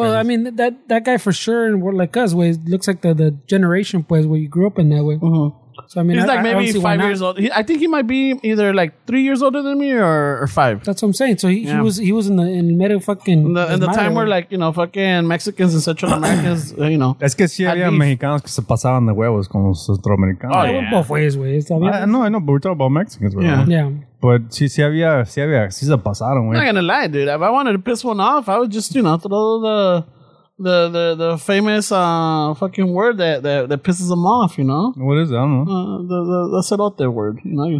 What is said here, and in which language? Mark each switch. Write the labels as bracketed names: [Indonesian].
[English] Well, I mean, that guy for sure, and we're like us, way looks like the generation, pues, where you grew up in that way. Mm-hmm. So, I mean, he's like I maybe 5 years old. I think he might be either like 3 years older than me or five. That's what I'm saying. So he was in the middle fucking in the time where, like, you know, fucking Mexicans and Central Americans, you know. [Spanish] Es que si había Mexicanos que se pasaban de huevos con los centroamericanos. [English] Oh, yeah. Both ways, güey. I know, but we're talking about Mexicans, right? Yeah. [Spanish] But si había, si se pasaron, güey. [English] I'm not going to lie, dude. If I wanted to piss one off, I would just, you know, throw the famous fucking word that pisses them off, you know? What is it? I don't know. The cerote word, you know? You